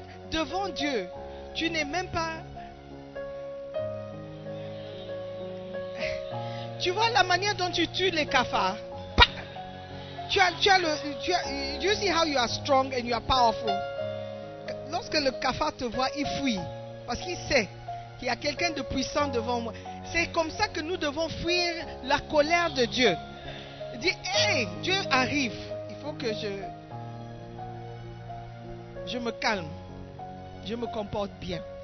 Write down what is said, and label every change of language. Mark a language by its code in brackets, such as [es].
[fr] Devant Dieu, tu n'es même pas... Tu vois la manière dont tu tues les cafards? [en] You see how you are strong and you are powerful. [fr] Lorsque le cafard te voit, il fuit. Parce qu'il sait qu'il y a quelqu'un de puissant devant moi. C'est comme ça que nous devons fuir la colère de Dieu. Il dit, hey, Dieu arrive. Il faut que je me calme. Je me comporte bien.